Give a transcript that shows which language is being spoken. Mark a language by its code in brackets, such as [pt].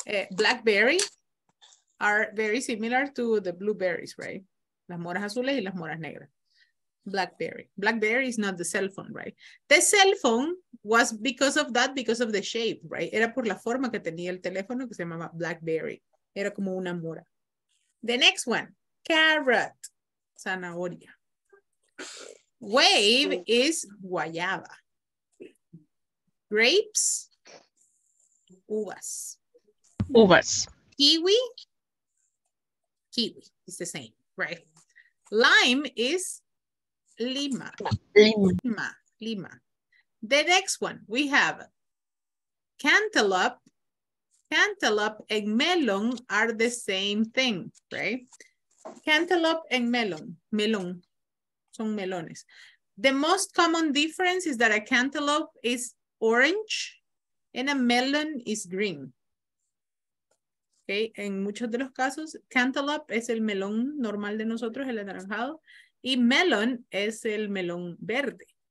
[en] Blackberry are very similar to the blueberries, right? [es] Las moras azules y las moras negras. [en] Blackberry. Blackberry is not the cell phone, right? The cell phone was because of the shape, right? [es] Era por la forma que tenía el teléfono que se llamaba Blackberry. Era como una mora. [en] The next one, carrot, [es] zanahoria. [en] Wave is guayaba. Grapes, uvas. [es] Uvas. [en] Kiwi. Kiwi is the same, right? Lime is lima. [es] Lima. [en] Lima. The next one we have cantaloupe. Cantaloupe and melon are the same thing, right? Cantaloupe and melon. Melon. [es] Son melones. [en] The most common difference is that a cantaloupe is orange and a melon is green. [es] Okay, en muchos de los casos, cantaloupe es el melón normal de nosotros, el anaranjado, y melon es el melón verde.